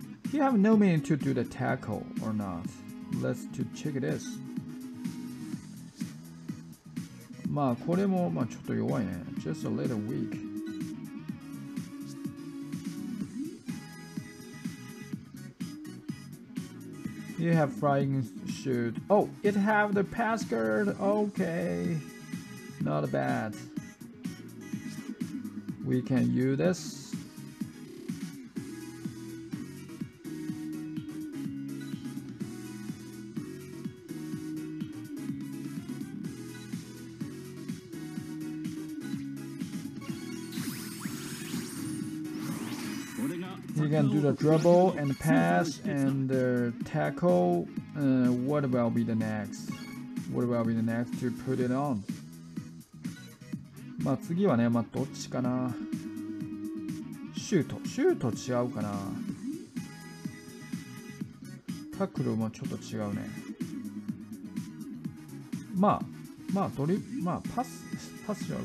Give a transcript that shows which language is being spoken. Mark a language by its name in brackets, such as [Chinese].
[English] He have no meaning to do the tackle or not. Let's to check this. [Japanese] まあこれもまあちょっと弱いね。 [English] Just a little weak. You have flying shoot. Oh, it have the pass card. Okay, not bad. We can use this. You can do the dribble and pass and tackle. What will be the next? What will be the next to put it on? [Japanese] まあ次はね、まあどっちかな。シュート違うかな。タックルもちょっと違うね。まあまあまあパスじゃ。